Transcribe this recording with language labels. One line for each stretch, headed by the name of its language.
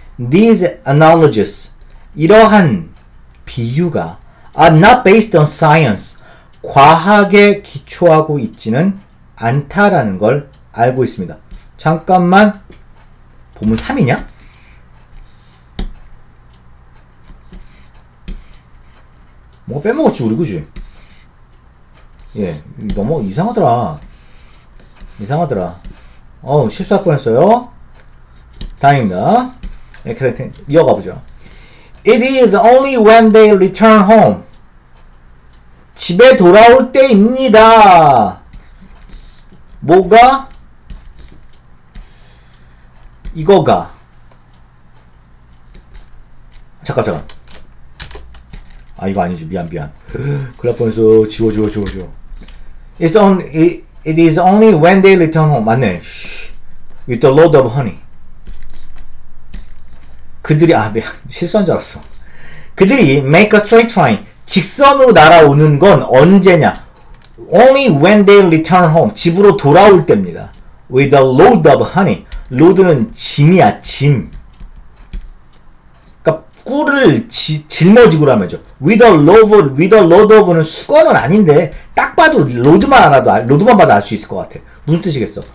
English: These analogies,
Korean: 이러한 비유가
English: are not based on science.
Korean: 과학에 기초하고 있지는 않다라는 걸 알고 있습니다. 잠깐만, 본문 3이냐? 뭐 빼먹었지 우리, 그지? 예, 너무 이상하더라. 이상하더라. 어우, 실수할 뻔했어요. 다행입니다. 이렇게 이어가 보죠.
English: It is only when they return home.
Korean: 집에 돌아올 때입니다. 뭐가? 이거가. 잠깐. 아, 이거 아니지. 미안. 큰일 날 뻔했어. 지워.
English: It's on, it is only when they return home.
Korean: 맞네.
English: With the load of honey.
Korean: 그들이, 아, 미안. 실수한 줄 알았어. 그들이
English: make a straight line.
Korean: 직선으로 날아오는 건 언제냐?
English: Only when they return home.
Korean: 집으로 돌아올 때입니다.
English: With the load of honey. load는
Korean: 짐이야, 짐. 그니까, 꿀을 짊어지고라며죠.
English: With a load of
Korean: 는 수건은 아닌데, 딱 봐도 load만 알아도, load만 봐도 알 수 있을 것 같아. 무슨 뜻이겠어?